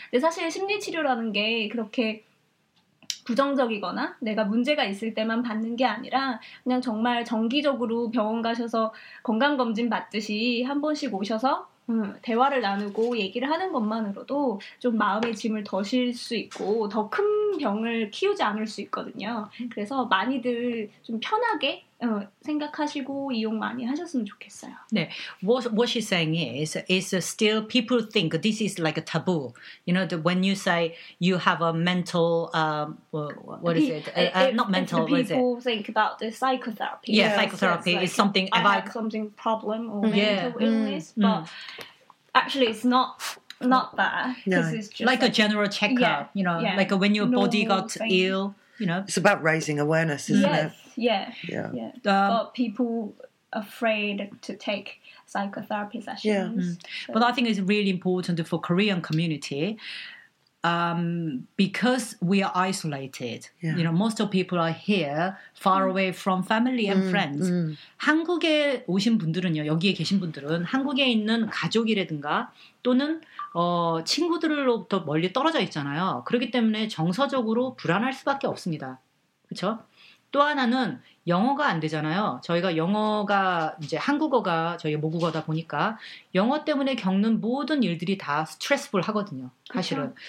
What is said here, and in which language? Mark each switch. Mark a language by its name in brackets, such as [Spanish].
[Korean] 근데 사실 심리치료라는 게 그렇게 부정적이거나 내가 문제가 있을 때만 받는 게 아니라 그냥 정말 정기적으로 병원 가셔서 건강검진 받듯이 한 번씩 오셔서 대화를 나누고 얘기를 하는 것만으로도 좀 마음의 짐을 덜 수 있고 더 큰 병을 키우지 않을 수 있거든요. 그래서 많이들 좀 편하게 생각하시고 이용 많이 하셨으면 좋겠어요. 네. [English] What she's saying is, it's still people think this is like a taboo. You know, when you say you have a mental, what is it? Not mental, what is it? People think about the psychotherapy. Yeah, yes, psychotherapy is like something about... I have something problem or mental illness, but actually it's not that. No. It's just like a general checkup, you know, like when your body got ill. You know? It's about raising awareness, isn't it? Yes, yeah. But people afraid to take psychotherapy sessions. Yeah. But I think it's really important for Korean community because we are isolated. Yeah. You know, most of people are here far away from family and friends. [Korean] 한국에 오신 분들은요, 여기에 계신 분들은 한국에 있는 가족이라든가 또는 친구들로부터 멀리 떨어져 있잖아요. 그렇기 때문에 정서적으로 불안할 수밖에 없습니다. 그렇죠? 또 하나는 영어가 안 되잖아요. 저희가 영어가 이제 한국어가 저희 모국어다 보니까 영어 때문에 겪는 모든 일들이 다 스트레스풀 하거든요. 사실은. 그렇죠?